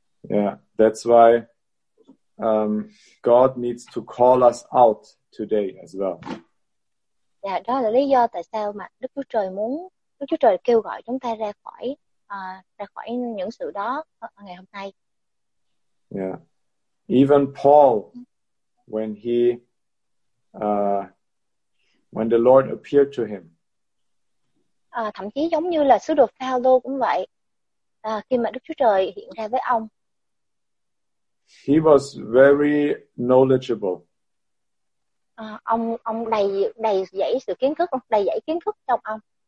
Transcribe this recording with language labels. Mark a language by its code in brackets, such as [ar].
[en] Yeah, that's why God needs to call us out today as well. [vi] Yeah, đó là lý do tại sao mà Đức Chúa Trời muốn, Đức Chúa Trời kêu gọi chúng ta ra khỏi những sự đó ngày hôm nay. [en] Yeah. Even Paul, when he when the Lord appeared to him. [vi] Thậm chí giống như là sứ đồ Phao-lô cũng vậy. Khi mà Đức Chúa Trời hiện ra với ông. [en] He was very knowledgeable. [vi] Ông đầy dẫy sự kiến thức, đầy dẫy kiến thức trong ông.